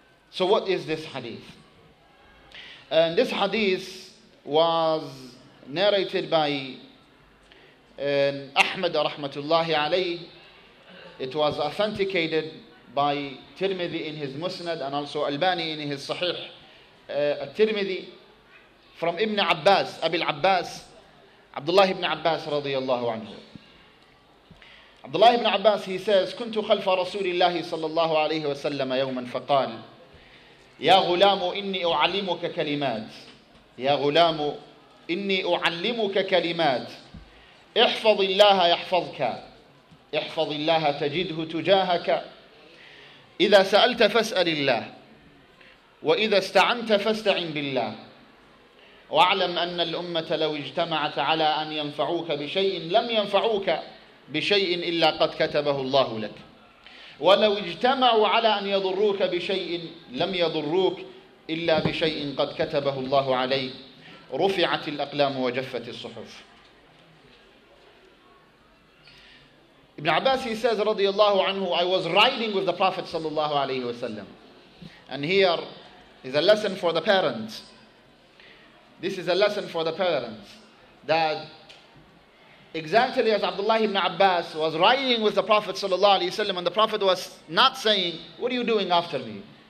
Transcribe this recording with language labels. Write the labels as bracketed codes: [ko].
[en] So what is this hadith? And this hadith was narrated by Ahmad rahmatullahi alayh. It was authenticated by Tirmidhi in his Musnad and also Albani in his Sahih Tirmidhi, from Ibn Abbas, Abil Abbas, Abdullah ibn Abbas radiyallahu anhu. Abdullah ibn Abbas, he says, [ar] كنت خلف رسول الله صلى الله عليه وسلم يوما فقال يا غلام إني أعلمك كلمات يا غلام إني أعلمك كلمات احفظ الله يحفظك احفظ الله تجده تجاهك إذا سألت فاسأل الله وإذا استعنت فاستعن بالله واعلم أن الأمة لو اجتمعت على أن ينفعوك بشيء لم ينفعوك بشيء إلا قد كتبه الله لك ولو اجتمعوا على أن يضروك بشيء لم يضروك إلا بشيء قد كتبه الله عليه رفعت الأقلام وجفت الصحف. [en] Ibn Abbas, he says, radiallahu anhu, I was riding with the Prophet sallallahu alayhi wasallam. And here is a lesson for the parents. This is a lesson for the parents. That exactly as Abdullah ibn Abbas was riding with the Prophet sallallahu alayhi wasallam, and the Prophet was not saying, what are you doing after me?